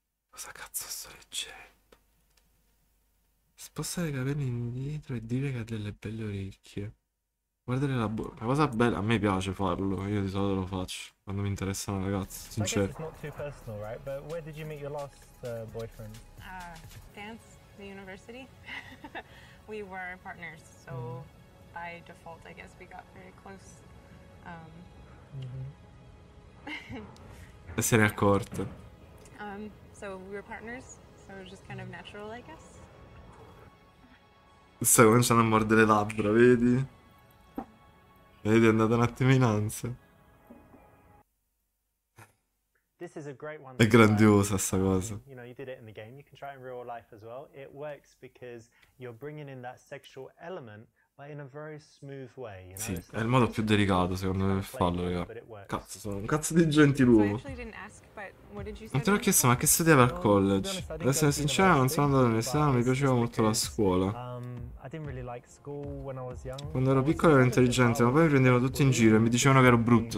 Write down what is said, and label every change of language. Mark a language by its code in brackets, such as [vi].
[it] Cosa cazzo sto leggendo? Spostare i capelli indietro e dire che ha delle belle orecchie. Guardare la bocca. La cosa bella, a me piace farlo. Io di solito lo faccio quando mi interessa una ragazza, sincero. [en] It's not too personal, right? But where did you meet your last boyfriend? Dance, the university. We were partners, so by default, I guess we got very close. [it] Se ne è accorta. [en] So we were partners, so it was just kind of natural, I guess. [it] Sta cominciando a mordere le labbra, vedi? Vedi, è andata un attimo in ansia. [en] This is a great one. [it] È grandiosa sta cosa. [en] You know, you did it in the game. You can try it in real life as well. It works because you're bringing in that sexual element, but in a very smooth way. You know? [it] Sì, è il modo più delicato secondo me per farlo, raga. Cazzo, sono un cazzo di gentiluomo. Non te l'ho chiesto, ma che studiavi al college? Ad essere sincero, non sono andato all'università, mi piaceva molto la scuola. Quando ero piccolo ero intelligente, ma poi mi prendevano tutti in giro e mi dicevano che ero brutto.